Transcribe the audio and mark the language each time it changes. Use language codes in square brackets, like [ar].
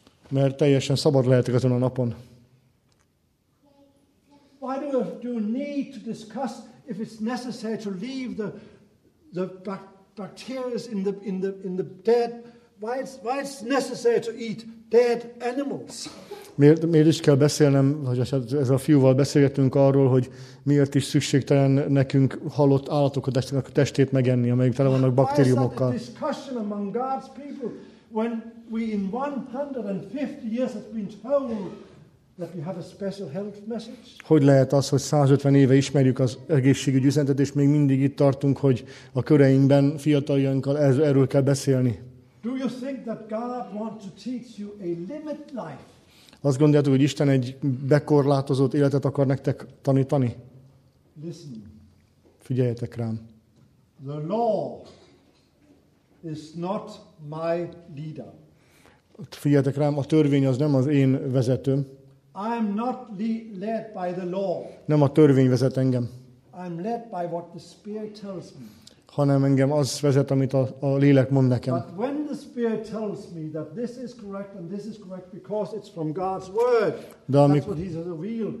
[hu] Mert teljesen szabad lehetek azon a napon. [en] Why do you need to discuss if it's necessary to leave the bacteria in the dead. Why it's necessary to eat dead animals? [hu] Miért is kell beszélnem, hogy ez a fiúval beszélgetünk arról, hogy miért is szükségtelen nekünk halott állatokat, a testét megenni, amelyek tele vannak baktériumokkal. [en] Why is that discussion among God's people when we in 150 years have been told that we have a special health message? [hu] Hogy lehet az, hogy 150 éve ismerjük az egészségügyi üzenetet, és még mindig itt tartunk, hogy a köreinkben fiataljainkkal erről kell beszélni? [en] Do you think that God wants to teach you a limit life? [hu] Azt gondoljátok, hogy Isten egy bekorlátozott életet akar nektek tanítani? [en] Listen. [hu] Figyeljetek rám. [en] The law is not my leader. [hu] Figyeljetek rám, a törvény az nem az én vezetőm. [en] I'm not led by the law. [hu] Nem a törvény vezet engem. [en] I'm led by what the Spirit tells me. [hu] Hanem engem az vezet, amit a lélek mond nekem. [en] But when the Spirit tells me that this is correct and this is correct because it's from God's word, that's what He has revealed.